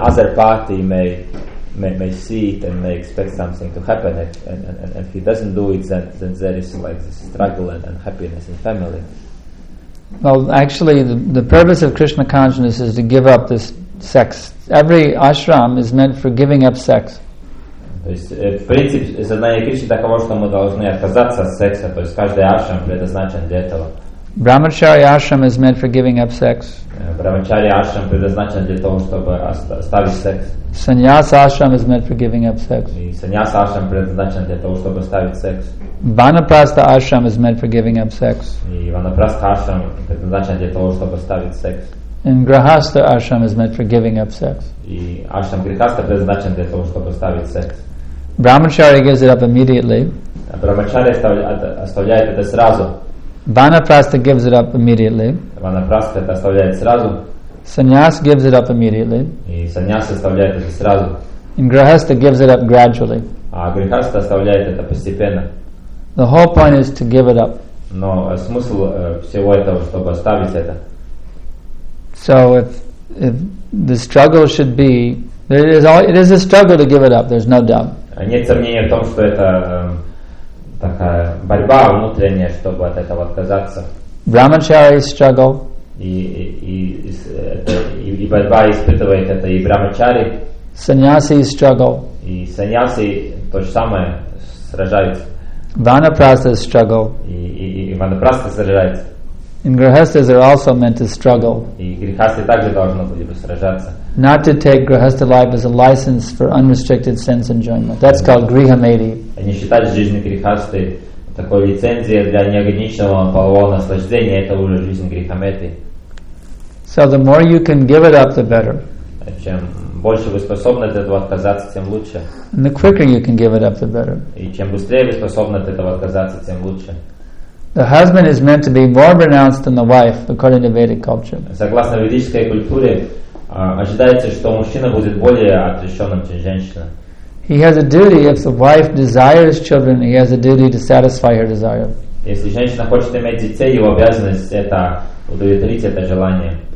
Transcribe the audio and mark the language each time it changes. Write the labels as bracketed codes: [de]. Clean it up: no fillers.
[en] other party may see it and may expect something to happen, and if he doesn't do it, then there is like this struggle and happiness in family. Well, actually, the purpose of Krishna consciousness is to give up this sex. Every ashram is meant for giving up sex. [ru] То есть, в принципе, задание Кришны таково, что мы должны отказаться от секса. То есть, каждый ашрам предназначен для этого. [en] Brahmachari ashram is meant for giving up sex. [ru] Brahmachari ashram предназначен для того, чтобы оставить секс. [en] Sannyas ashram is meant for giving up sex. [ru] И sannyas ashram предназначен для того, чтобы оставить секс. [en] Vanaprastha ashram is meant for giving up sex. [ru] И vanaprastha ashram предназначен для того, чтобы оставить секс. [en] And grahastha ashram is meant for giving up sex. [ru] И ashram grihastha предназначен для того, чтобы оставить секс. [en] Brahmachari gives it up immediately. [ru] Brahmachari оставляет это сразу. [en] Vanaprastha gives it up immediately. [ru] Vanaprastha это оставляет сразу. [en] Sannyas gives it up immediately. [ru] И sannyas оставляет это сразу. [en] And grahastha gives it up gradually. [ru] А grihastha оставляет это постепенно. [en] The whole point is to give it up. [ru] Но смысл всего этого, чтобы оставить это. [en] So if the struggle should be, it is a struggle to give it up. There's no doubt. [ru] Нет сомнения в том, что это такая борьба внутренняя, чтобы от этого отказаться. [en] Brahmachari struggle. [ru] И борьба испытывает это и брахмачари. [en] Sannyasi struggle. [ru] И sannyasi то же самое сражаются. [en] Vanaprastha struggle. [ru] И vanaprastha сражается. [en] And grihasthas are also meant to struggle. [ru] И грихасты также должны были бы сражаться. [en] Not to take grihastha life as a license for unrestricted sense enjoyment. That's called grihamedi. [ru] Они считают жизнь грихасты такой лицензией для неограниченного полового наслаждения. Это уже жизнь грихамеди. [en] So the more you can give it up, the better. [ru] Чем больше вы способны от этого отказаться, тем лучше. [en] And the quicker you can give it up, the better. [ru] И чем быстрее вы способны от этого отказаться, тем лучше. [en] The husband is meant to be more renounced than the wife, according to Vedic culture. [ru] Согласно ведической культуре, ожидается, что мужчина будет более отрешенным, чем женщина. [en] He has a duty, if the wife desires children, he has a duty to satisfy her desire. [ru] Если женщина хочет иметь детей, его обязанность это удовлетворить это желание.